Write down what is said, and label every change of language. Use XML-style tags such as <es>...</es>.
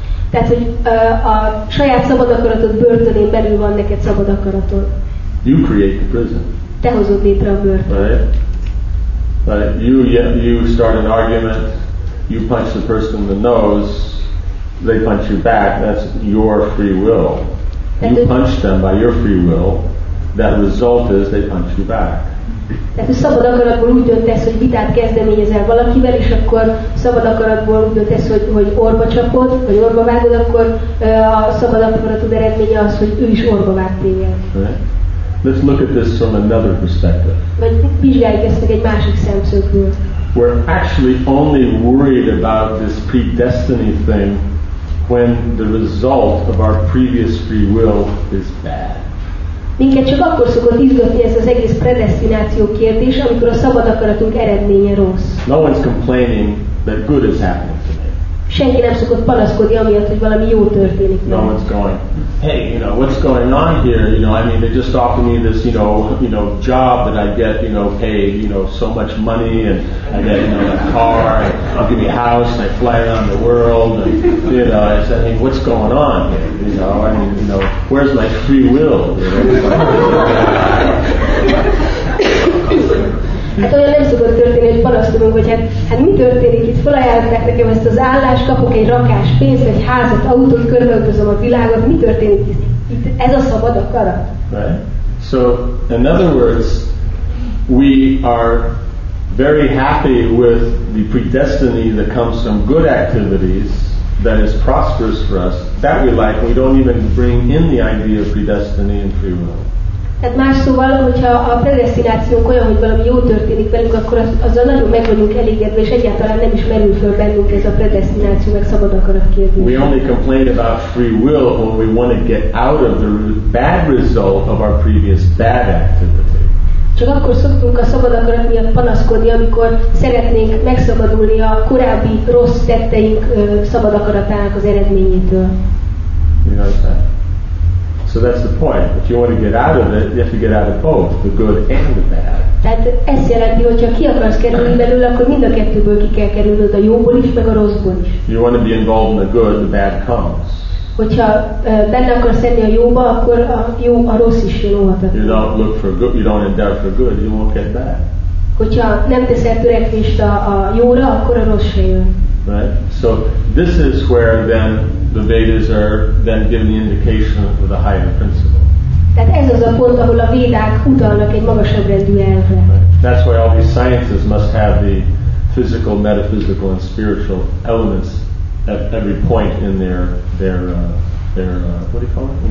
<hu>Tehát hogy a saját szabad akaratod börtönén belül van neked szabad akaratod.</hu> <en>You create the prison.</en> <hu>Te hozod létre a börtön.</hu> <en>Right? You start an argument, you punch the person in the nose, they punch you back, that's your free will. You punch them by your free will, that result is they punch you back.</en> <hu>Tehát a szabad akaratból úgy döntesz, hogy vitát kezdeményezel valakivel, és akkor szabad akaratból úgy döntesz, hogy orba csapod, vagy orba vágod, akkor a szabad akaratod eredménye az, hogy ő is orba vág téged.</hu> <en>Right? Let's look at this from another perspective.</en> <hu>Vizsgáljuk ezt meg egy másik szemszögből.</hu> <en>We're actually only worried about this predestiny thing when the result of our previous free will is bad.</en> <hu>Minket csak akkor szokott izgatni ez az egész predestináció kérdés, amikor a szabad akaratunk eredménye rossz.</hu> <en>No one's complaining that good is happening.</en> <hu>Senki nem szokott panaszkodni amiatt, hogy valami jó történik.</hu> <en>No, it's going. Hey, you know, what's going on here? You know, I mean, they just offered me this, you know, job that I get, you know, paid, you know, so much money, and I get, you know, a car, and I'll give me a house, and I fly around the world, and, you know, I said, hey, what's going on here? You know, I mean, you know, where's my free will?</en> <hu>Hát olyan nem szokott történni, hogy panaszkodunk, hogy hát mi történik itt, felajánlották nekem ezt az állást, kapok egy rakás pénzt, egy házat, autót, körbeöltözöm a világot, mi történik itt? Ez a szabad akarat.</hu> <en>Right. So, in other words, we are very happy with the predestiny that comes from good activities, that is prosperous for us, that we like, we don't even bring in the idea of predestiny and free will.</en> <hu>Tehát más szóval, hogyha a predestinációnk olyan, hogy valami jó történik velünk, akkor azzal nagyon meg vagyunk elégedve, és egyáltalán nem is merül föl bennünk ez a predestináció, meg szabad akarat kérdés.</hu> <en>We only complain about free will when we want to get out of the bad result of our previous bad activity.</en> <hu>Csak akkor szoktunk a szabad akarat miatt panaszkodni, amikor szeretnénk megszabadulni a korábbi rossz tetteink szabad akaratának az eredményétől.</hu> <en>So that's the point. If you want to get out of it, you have to get out of both, the good and the bad.</en> <hu>Tehát ez jelenti, hogyha ki akarsz kerülni belőle, akkor mind a kettőből ki kell kerülnöd, a jóból is, meg a rosszból is.</hu> <en>If you want to be involved in the good, the bad comes.</en> <hu>Hogyha benne akarsz lenni a jóba, akkor a jó, a rossz is jön óvatot.</hu> <en>You don't look for good, you don't endeavor for good, you won't get bad.</en> <hu>Hogyha nem teszel törekvést a jóra, akkor a rossz se jön.</hu> <en>Right? So this is where then the Vedas are then given the indication of the higher principle.</en> <hu>Tehát ez az a pont, ahol a Védák utalnak egy magasabb rendű elvre.</hu> <en>That's why all these sciences must have the physical, metaphysical, and spiritual elements at every point in their what do you call it?</en>